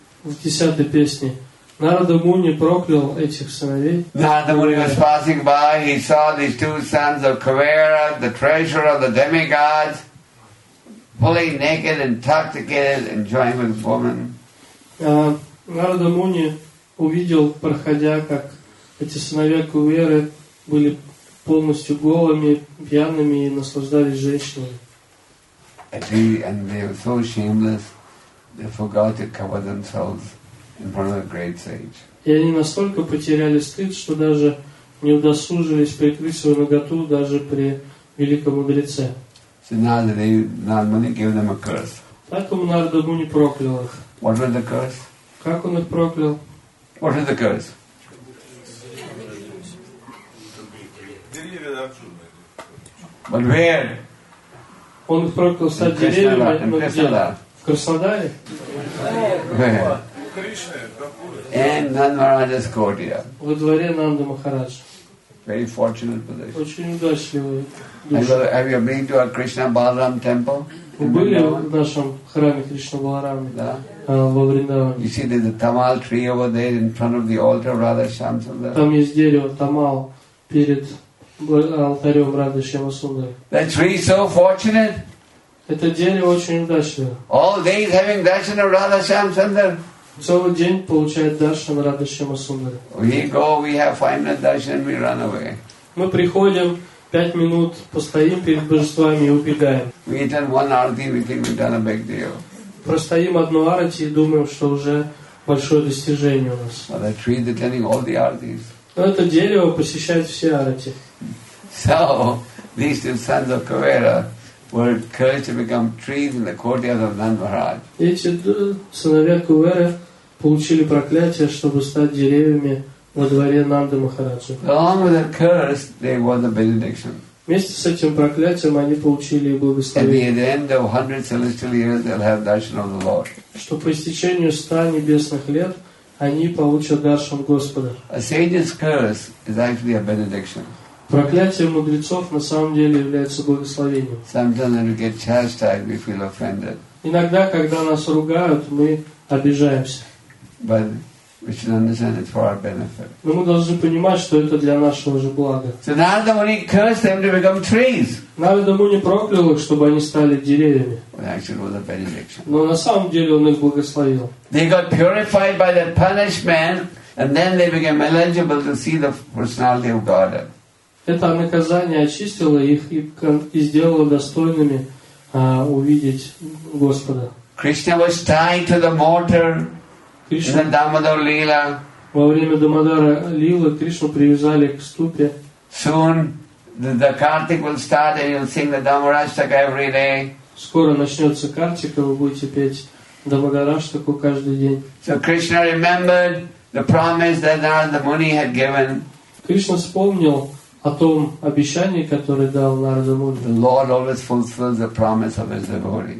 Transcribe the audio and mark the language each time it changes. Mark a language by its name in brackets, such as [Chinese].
[Russian] В 10-й песне Нарада Муни проклял этих сыновей. [English] Narada Muni was passing by, he saw these two sons of Kuvera, the treasure of the demigods, fully naked, intoxicated, enjoying with women. [Russian] Нарада Муни увидел, проходя, как эти сыновья Куверы были полностью голыми, пьяными и наслаждались женщинами. [English] And they were so shameless, they forgot to cover themselves in front of a great sage. [Russian] И они настолько потеряли стыд, что даже не удосужились прикрыть свою наготу даже при великом мудреце. [English] So Narada Muni gave them a curse. [Russian] Поэтому Нарада Муни проклял их. [English] What was the curse? [Russian] Как он их проклял? [English] What is the curse? But where? [Russian] Он их проклял стать деревьями, но где? В Краснодаре? [English] Where? [Russian] Кришне, [English] в Нанда Махараджа's courtyard. [Russian] Во дворе Нанда Махараджа. [English] Very fortunate position. [Russian] Очень удачливый. [English] Have you been to our Krishna Balaram temple? [Russian] Вы были в нашем храме Кришна Баларамы? Да. Во Вриндаване. [English] You see there's a tamal tree over there in front of the altar of Radha Shyamasundara. [Russian] Там есть дерево тамал перед алтарем Радха Шьямасундары. [English] That tree is so fortunate. [Russian] Это дерево очень удачливое. [English] All days having darshan of Radha Shyamasundara. [Russian] Целый день получает даршан Радха Шьямасундары. [English] We go, we have 5 minutes darshan, we run away. [Russian] Мы приходим, 5 минут постоим перед божествами и убегаем. [English] We done one arati, we think we done a big deal. [Russian] Простоим одну арати и думаем, что уже большое достижение у нас. [English] But that tree is attending all the artis. [Russian] Но это дерево посещает все арати. [English] So these two sons of Kuvera were cursed to become trees in the courtyard of Nanda Maharaj. [Russian] Эти сыновья Кувера получили проклятие, чтобы стать деревьями во дворе Нанды Махараджи. [English] Along with that curse, they won the benediction. [Russian] Вместе с этим проклятием они получили и благословение. [English] At the end of 100 celestial years, they'll have darshan of the Lord. [Russian] Что по истечению 100 небесных лет они получат даршан Господа. [English] A sage's curse is actually a benediction. [Russian] Проклятие мудрецов на самом деле является благословением. [English] Sometimes when we get chastised, we feel offended. [Russian] Иногда, когда нас ругают, мы обижаемся. [English] But we should understand it for our benefit. [Russian] Но мы должны понимать, что это для нашего же блага. [English] So Narada Muni cursed them to become trees. [Russian] Narada Muni проклял их, чтобы они стали деревьями. [English] Actually, it was a benediction. [Russian] Но на самом деле он их благословил. [English] They got purified by their punishment, and then they became eligible to see the personality of Godhead. [Russian] Это наказание очистило их и сделало достойными увидеть Господа. [English] Krishna was tied to the mortar. Кришна Дамодар Лила. [Russian] Во время Дамодара Лилы Кришну привязали к ступе. [English] Soon the Kartik will start and you'll sing the Dhammarashtaka every day. [Russian] Скоро начнется Картика, вы будете петь Дамодараштаку каждый день. [English] So Krishna remembered the promise that Narada Muni had given. [Russian] Кришна вспомнил о том обещании, которое дал Нарада Муни. [English] The Lord always fulfills the promise of his devotees.